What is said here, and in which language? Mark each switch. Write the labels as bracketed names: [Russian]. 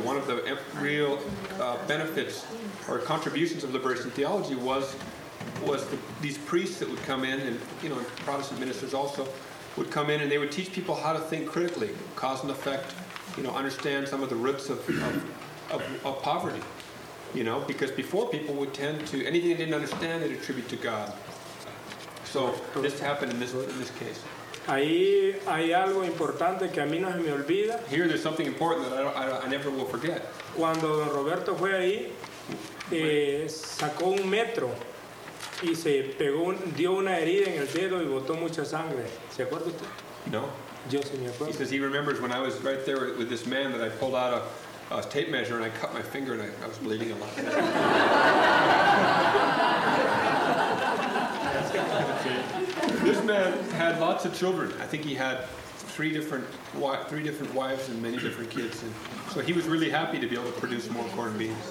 [English] One of the real benefits or contributions of liberation theology was these priests that would come in, and you know, Protestant ministers also would come in, and they would teach people how to think critically, cause and effect, you know, understand some of the roots of poverty, you know, because before people would tend to anything they didn't understand they'd attribute to God. So this happened in this case. [Spanish] Ahí hay algo importante que a mí no se me olvida. Here there's something important that I never will forget. Cuando Don Roberto fue ahí, sacó un metro. Y se pegó dio una herida en el dedo y botó mucha sangre. ¿Se acuerda usted? No. Yo sí me acuerdo. [English] He says he remembers when I was right there with this man that I pulled out a tape measure and I cut my finger and I was bleeding a lot. This man had lots of children. I think he had three different wives and many different kids, and so he was really happy to be able to produce more corn and beans.